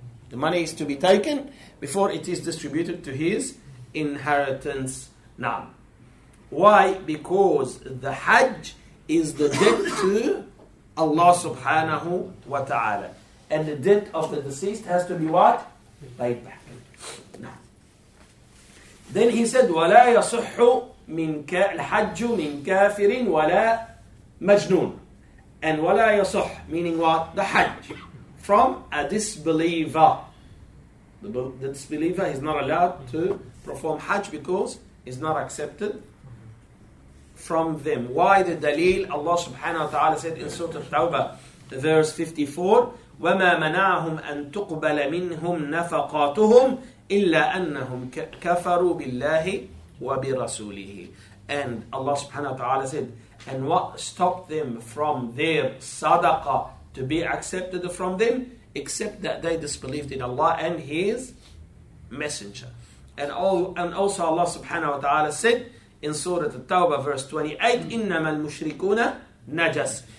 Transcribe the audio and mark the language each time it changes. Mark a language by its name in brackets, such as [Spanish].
[English] The money is to be taken before it is distributed to his inheritance. Now, why? Because the Hajj is the debt to Allah subhanahu wa ta'ala. And the debt of the deceased has to be what? Paid back. Now, then he said, [Arabic] وَلَا يَصُحُّ مِنْكَ الْحَجُّ مِنْ كَافِرٍ وَلَا مَجْنُونَ. And وَلَا يَصُحُّ, [English] meaning what? The Hajj. From a disbeliever. The disbeliever is not allowed to perform Hajj because it's not accepted from them. Why the Dalil? Allah subhanahu wa ta'ala said in Surah Tawbah, verse 54, [Arabic] وَمَا مَنَعَهُمْ أَن تُقْبَلَ مِنْهُمْ نَفَقَاتُهُمْ إِلَّا أَنَّهُمْ كَفَرُوا بِاللَّهِ وَبِرَسُولِهِ. [English] And Allah subhanahu wa ta'ala said, and what stopped them from their sadaqah to be accepted from them, except that they disbelieved in Allah and His Messenger. And also Allah subhanahu wa ta'ala said in Surah At-Tawbah verse 28, [Arabic] إِنَّمَا الْمُشْرِكُونَ نَجَسْ.